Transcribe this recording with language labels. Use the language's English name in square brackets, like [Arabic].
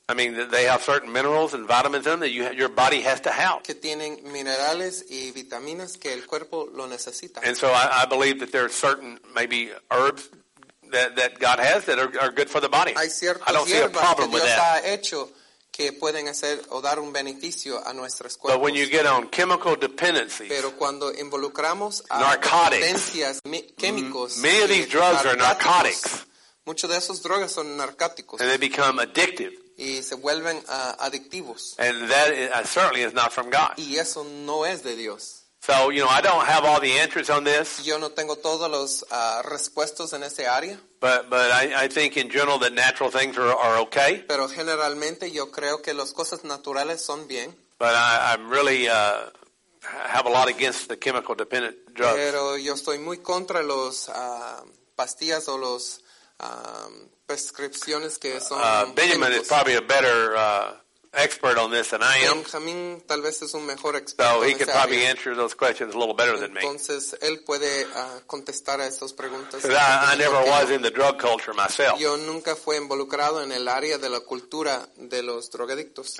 [English] I mean, they have certain minerals and vitamins in them that your body has to have. [Spanish] Que tienen minerales y vitaminas que el cuerpo lo necesita. [English] And so I believe that there are certain, maybe, herbs that God has that are good for the body. [Spanish] Hay ciertas [English] I don't see a problem [Spanish] que Dios [English] with that. [Spanish] Ha hecho que pueden hacer o dar un beneficio a nuestros cuerpos. [English] But when you get on chemical dependencies, [Spanish] pero cuando involucramos a [English] narcotics, [Spanish] dependencias químicos, [English] many of these drugs are narcotics. [Spanish] Muchos de esos drogas son narcóticos. [English] And they become addictive. [Spanish] Y se vuelven adictivos. [English] And that certainly is not from God. [Spanish] Y eso no es de Dios. [English] So, you know, I don't have all the answers on this. [Spanish] Yo no tengo todos los respuestos en ese área. [English] But I think in general that natural things are okay. [Spanish] Pero generalmente yo creo que las cosas naturales son bien. [English] But I'm really have a lot against the chemical dependent drugs. [Spanish] Pero yo estoy muy contra los pastillas o los prescripciones que son [English] Benjamin [Spanish] químicos. [English] Is probably a better expert on this than I am. [Spanish] Benjamin, tal vez es un mejor experto. [English] So he could probably answer those questions a little better than me. [Spanish] Entonces, él puede, contestar a esas preguntas. [English] I never was in the drug culture myself. [Spanish] Yo nunca fui involucrado en el área de la cultura de los drogadictos.